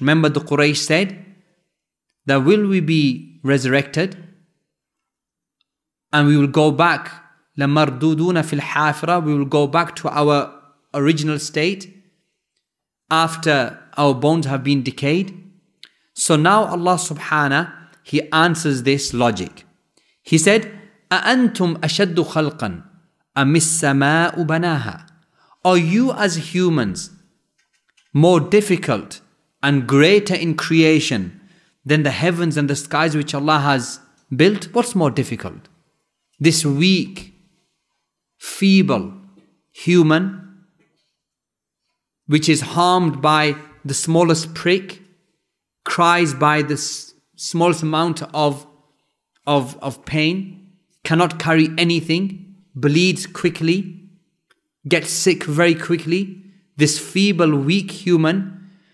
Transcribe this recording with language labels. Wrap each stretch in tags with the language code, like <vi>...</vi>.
<en>Remember, the Quraysh said that, "Will we be resurrected and we will go back,</en> <ar>لَمَرْدُودُونَ فِي الْحَافِرَةِ,</ar> <en>we will go back to our original state after our bones have been decayed." So now Allah subhanahu, He answers this logic. He said,</en> <ar>أَأَنْتُمْ أَشَدُّ خَلْقًا أَمِسْ سَمَاءُ بَنَاهَا.</ar> <en>Are you as humans more difficult and greater in creation than the heavens and the skies which Allah has built? What's more difficult? This weak, feeble human, which is harmed by the smallest prick, cries by the smallest amount of pain, cannot carry anything, bleeds quickly, gets sick very quickly. This feeble, weak human,</en>